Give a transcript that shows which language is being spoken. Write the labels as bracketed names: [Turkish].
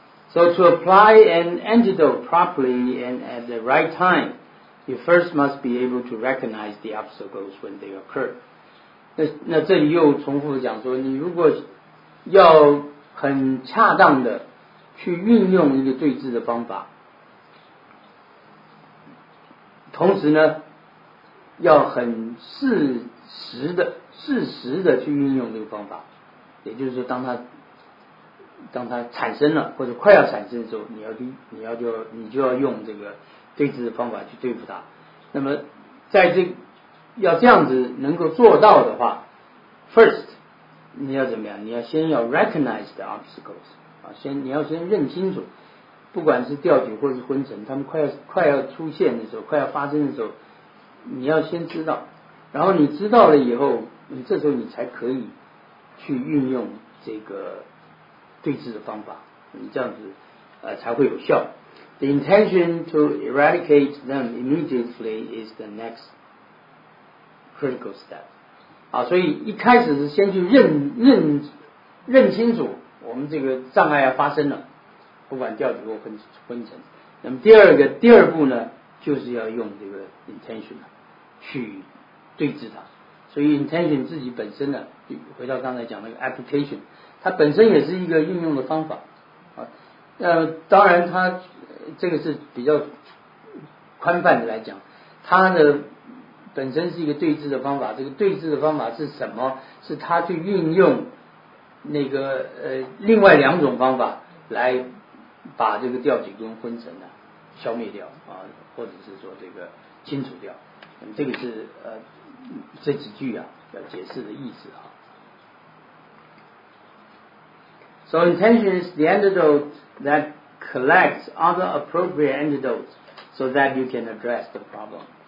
[English] So to apply an antidote properly and at the right time, you first must be able to recognize the obstacles when they occur. [Chinese] 那这里又重复讲说，你如果要很恰当的去运用一个对治的方法，同时呢要很适时的去运用这个方法，也就是说当它产生了或者快要产生的时候，你就要用这个对治的方法去对付它。那么在这要这样子能够做到的话， first 你要怎么样，你要先要 [English] recognize the obstacles、 [Chinese] 啊、你要先认清楚，不管是吊顶或是昏沉，他们快要出现的时候，快要发生的时候，你要先知道，然后你知道了以后，你这时候你才可以去运用这个对治的方法，你这样子才会有效。 [English] The intention to eradicate them immediately is the next critical step. [Chinese] 好，所以一开始是先去认清楚我们这个障碍要发生了，不管掉几个昏沉，那么第二步呢，就是要用这个 intention 去对治它。所以 intention 自己本身呢，回到刚才讲那个 application， 它本身也是一个运用的方法啊。当然它这个是比较宽泛的来讲，它的本身是一个对治的方法。这个对治的方法是什么？是它去运用那个另外两种方法来把这个吊颈跟昏沉呢、啊、消灭掉啊，或者是说这个清除掉。那么这个是这几句啊要解释的意思啊。 [English] So intention is the antidote that collects other appropriate antidotes so that you can address the problem.